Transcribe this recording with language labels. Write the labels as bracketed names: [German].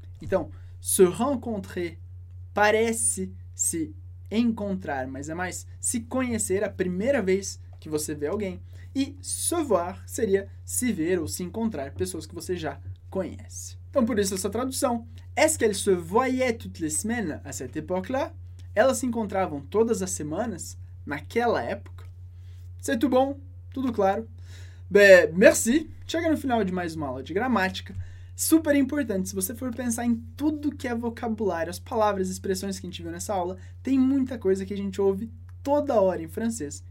[Portuguese] Então, se rencontrer parece se encontrar, mas é mais se conhecer a primeira vez que você vê alguém. E se voir seria se ver ou se encontrar pessoas que você já conhece. Então, por isso essa tradução. [French] Est-ce qu'elle se voyait toutes les semaines à cette époque-là? [Portuguese] Elas se encontravam todas as semanas naquela época? [French] C'est tout bon? [Portuguese] Tudo claro? [French] Ben, merci! [Portuguese] Chega no final de mais uma aula de gramática. Super importante, se você for pensar em tudo que é vocabulário, as palavras, expressões que a gente viu nessa aula, tem muita coisa que a gente ouve toda hora em francês.